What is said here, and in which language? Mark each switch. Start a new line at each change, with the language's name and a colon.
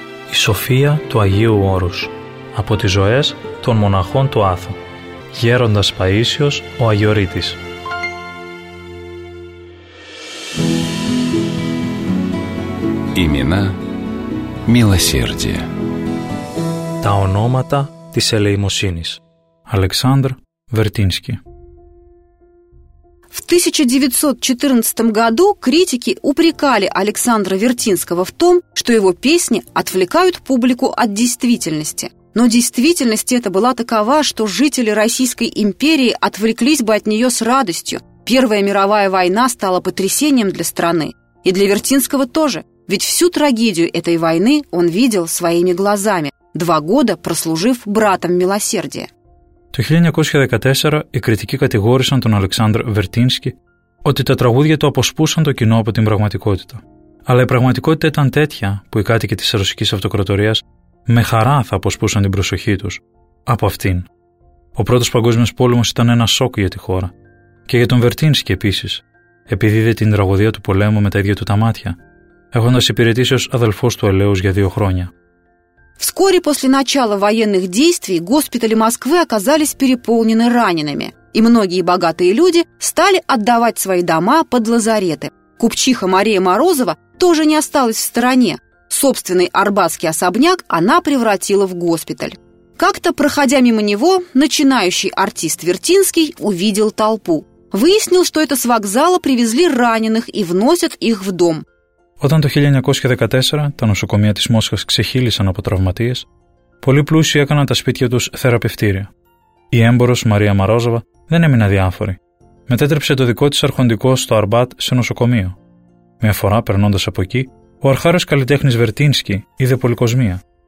Greek: Η Σοφία του Αγίου Όρους από τις ζωές των μοναχών του Άθου. Γέροντας Παΐσιος ο Αγιορείτης.
Russian: Имена милосердия.
Greek: Τα ονόματα της ελεημοσύνης.
Russian: Александр Вертинский. В 1914 году критики упрекали Александра Вертинского в том, что его песни отвлекают публику от действительности. Но действительность эта была такова, что жители Российской империи отвлеклись бы от нее с радостью. Первая мировая война стала потрясением для страны. И для Вертинского тоже. Ведь всю трагедию этой войны он видел своими глазами, 2 года прослужив братом милосердия.
Greek: Το 1914 οι κριτικοί κατηγόρησαν τον Αλεξάνδρ Βερτίνσκι ότι τα τραγούδια του αποσπούσαν το κοινό από την πραγματικότητα. Αλλά η πραγματικότητα ήταν τέτοια που οι κάτοικοι της Ρωσικής Αυτοκρατορίας με χαρά θα αποσπούσαν την προσοχή τους από αυτήν. Ο Πρώτος Παγκόσμιος Πόλεμος ήταν ένα σοκ για τη χώρα. Και για τον Βερτίνσκι επίσης, επειδή είδε την τραγωδία του πολέμου με τα ίδια του τα μάτια, έχοντας υπηρετήσει ως αδελφός του ελαίους για 2 χρόνια.
Russian: Вскоре после начала военных действий госпитали Москвы оказались переполнены ранеными, и многие богатые люди стали отдавать свои дома под лазареты. Купчиха Мария Морозова тоже не осталась в стороне. Собственный арбатский особняк она превратила в госпиталь. Как-то, проходя мимо него, начинающий артист Вертинский увидел толпу. Выяснил, что это с вокзала привезли раненых и вносят их в дом.
Greek: Όταν το 1914 τα νοσοκομεία της Μόσχας ξεχύλισαν από τραυματίες, πολλοί πλούσιοι έκαναν τα σπίτια τους θεραπευτήρια. Η έμπορος Μαρία Μαρόζοβα δεν έμεινε αδιάφορη. Μετέτρεψε το δικό της αρχοντικό στο Αρμπάτ σε νοσοκομείο. Μια φορά, περνώντας από εκεί, ο αρχάριος καλλιτέχνης Βερτίνσκι είδε πολυκοσμία.